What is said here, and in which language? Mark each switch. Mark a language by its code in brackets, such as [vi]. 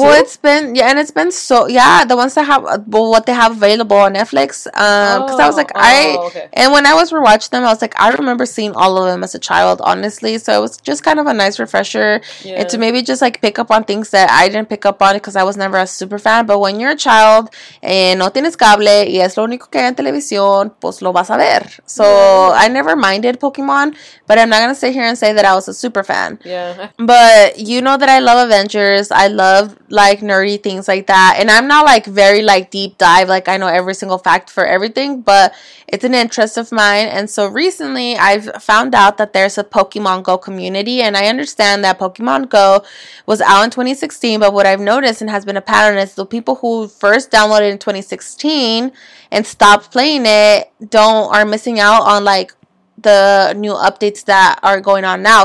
[en] Well, it's been, yeah, and it's been so, yeah, the ones that have, well, what they have available on Netflix, because and when I was rewatching them, I was like, I remember seeing all of them as a child, honestly. So it was just kind of a nice refresher, yeah. And to maybe just like pick up on things that I didn't pick up on because I was never a super fan. But when you're a child and [es] no tienes cable y es lo único que hay en televisión, pues lo vas a ver. [en] So yeah. I never minded Pokemon, but I'm not gonna sit here and say that I was a super fan. Yeah, but you know that I love Avengers. I love like nerdy things like that, and I'm not like very like deep dive, like I know every single fact for everything, but it's an interest of mine. And so recently I've found out that there's a Pokemon Go community, and I understand that Pokemon Go was out in 2016, but what I've noticed and has been a pattern is the people who first downloaded in 2016 and stopped playing it are missing out on like the new updates that are going on now.